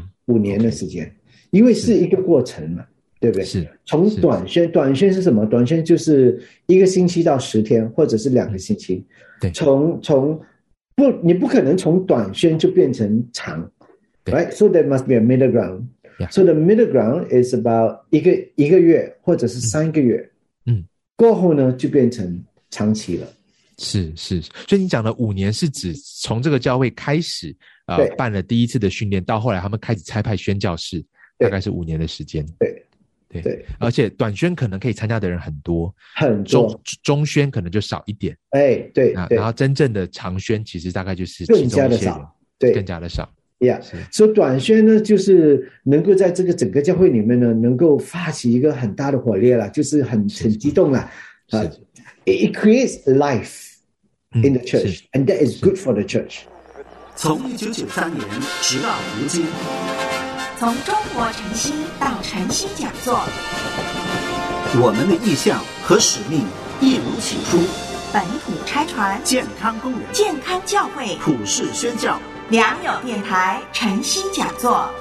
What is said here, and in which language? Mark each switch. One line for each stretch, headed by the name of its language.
Chinese: Yeah, 5年的时间。Okay. 因为是一个过程嘛，对不对？是。从短宣，短宣是什么？短宣就是1星期到10天，或者是2个星期。对。从不，你不可能从短宣就变成长。
English: Right? So there must be a middle ground.、 Yeah. So the middle ground is about
Chinese: 一个月或者是3个月。过后呢，就变成长期了。是，所以你讲的5年是指从这个教会开始办了第一次的训练，到后来他们开始差派宣教士，大概是5年的时间。对，而且短宣可能可以参加的人很多，中宣可能就少一点。哎，对，然后真正的长宣其实大概就是其中一些更加的少，对，更加的少。 Yeah， 所以短宣呢，就是能够在这个整个教会里面呢，能够发起一个很大的火烈了，就是很激动了。
English: It creates life in the church，and that is good for the church。
Chinese: 从1993年直到如今，从中国晨星到晨星讲座，我们的意向和使命一如起初： 本土拆传、健康工人、健康教会、普世宣教。良友电台晨星讲座